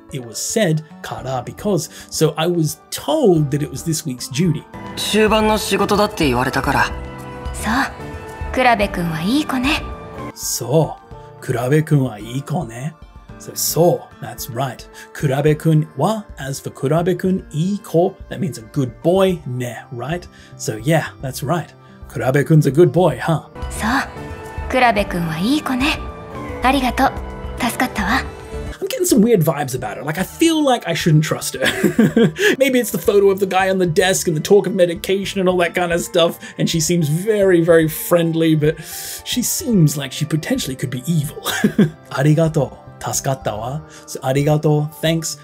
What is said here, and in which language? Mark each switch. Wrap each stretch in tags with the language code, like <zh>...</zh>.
<ja>It was said, から, because, so I was told that it was this week's duty. 終盤の仕事だって言われたから。そう、くらべくんはいい子ね。そう、くらべくんはいい子ね。</ja> <en>So, so, that's right. くらべくんは, as for くらべくん、いい子, that means a good boy, ね, right? So, yeah, that's right. くらべくん's a good boy, huh?</en> <ja>そう、くらべくんはいい子ね。ありがとう、助かったわ。</ja> <en>I'm getting getting some weird vibes about her. Like, I feel like I shouldn't trust her. Maybe it's the photo of the guy on the desk and the talk of medication and all that kind of stuff. And she seems very, very friendly, but she seems like she potentially could be evil.</en> <ja>Arigato. Tasukatta wa.</ja> <en>So arigato, thanks.</en>